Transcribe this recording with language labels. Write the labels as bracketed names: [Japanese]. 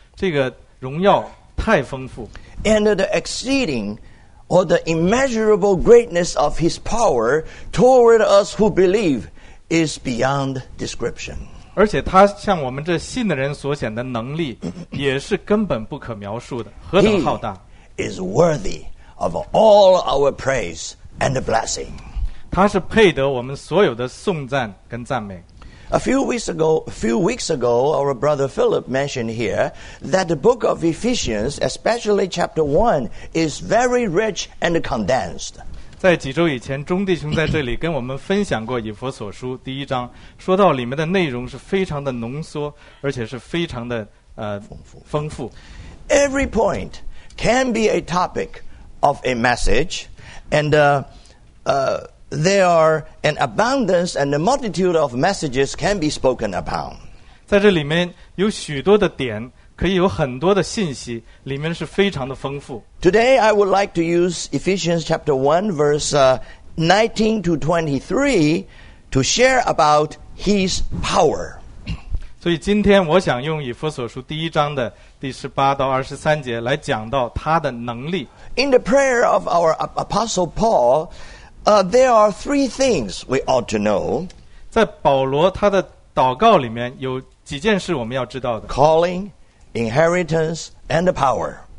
[Chinese] 而且他在圣徒中所得的基业，这个荣耀太丰富。 [English] And the exceeding or the immeasurable greatness of His power toward us who believe is beyond description. [Chinese] 而且他向我们这信的人所显的能力也是根本不可描述的，何等浩大。 [English] He is worthy of all our praise and blessing. [Chinese] 他是配得我们所有的颂赞跟赞美。 [English] A few weeks ago, our brother Philip mentioned here that the book of Ephesians, especially chapter 1, is very rich and condensed. [Chinese] 在几周以前，钟弟兄在这里跟我们分享过以弗所书第一章，说到里面的内容是非常的浓缩，而且是非常的丰富。 [English] Every point can be a topic of a message, and there are an abundance and a multitude of messages can be spoken upon. [Chinese] 在这里面有许多的点，可以有很多的信息，里面是非常的丰富。 [English] Today I would like to use Ephesians chapter 1 verse 19 to 23 to share about his power. [Chinese] 所以今天我想用以弗所书第一章的第十八到二十三节来讲到他的能力。 [English] In the prayer of our apostle Paul, there are three things we ought to know. [Chinese] 在保罗他的祷告里面有几件事我们要知道的。 [English] Calling, inheritance, and power.